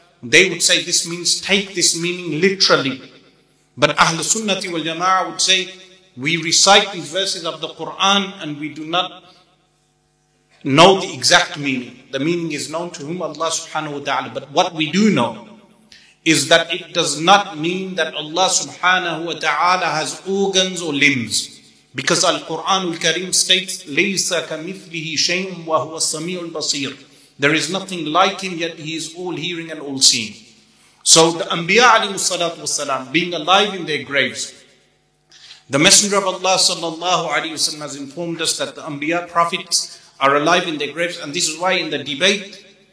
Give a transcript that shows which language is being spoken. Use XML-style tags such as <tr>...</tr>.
<en>They would say this means, take this meaning literally. But Ahl Sunnati wal Jama'ah would say, we recite these verses of the Quran and we do not know the exact meaning. The meaning is known to whom? Allah subhanahu wa ta'ala. But what we do know is that it does not mean that Allah subhanahu wa ta'ala has organs or limbs. Because Al-Quran al-Kareem states,</en> <ar>لَيْسَ كَمِثْلِهِ شَيْءٌ وَهُوَ السَّمِيعُ الْبَصِيرُ.</ar> <en>There is nothing like him, yet he is all-hearing and all-seeing. So the Anbiya alayhi salatu wasalam, being alive in their graves, the Messenger of Allah sallallahu alayhi wasallam has informed us that the Anbiya prophets are alive in their graves, and this is why in the debate,</en>